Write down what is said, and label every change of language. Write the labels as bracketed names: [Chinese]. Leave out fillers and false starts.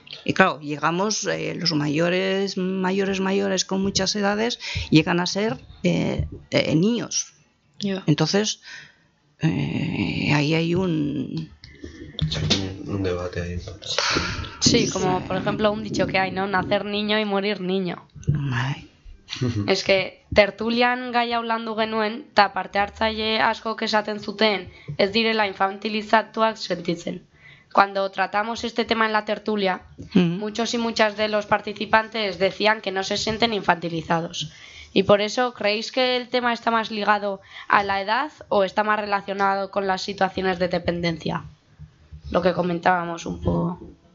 [Spanish] Y claro, llegamos, los mayores con muchas edades, llegan a ser niños. Entonces, ahí hay un... Un debate ahí. Sí, como por ejemplo un dicho que hay, ¿no? Nacer niño y morir niño. Ay, Es que [Basque] tertulian gai hau landu genuen, eta parte hartzaile askok esaten zuten, ez direla infantilizatuak sentitzen. [Spanish] Cuando tratamos este tema en la tertulia, muchos y muchas de los participantes decían que no se sienten infantilizados. ¿Y por eso creéis que el tema está más ligado a la edad o está más relacionado con las situaciones de dependencia? Lo que comentábamos un poco.